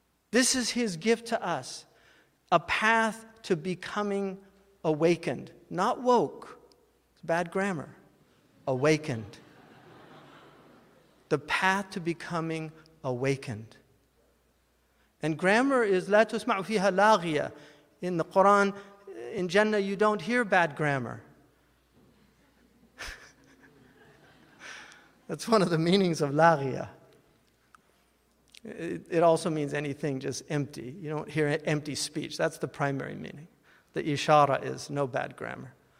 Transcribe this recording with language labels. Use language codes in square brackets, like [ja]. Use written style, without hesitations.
[en] This is his gift to us, a path to becoming awakened. Not woke, it's bad grammar, awakened. The path to becoming awakened. And grammar is [ar] لا تسمع فيها لاغية. [en] In the Quran, in Jannah, you don't hear bad grammar. That's one of the meanings of لاغية. It also means anything just empty. You don't hear empty speech. That's the primary meaning. The ishara is no bad grammar.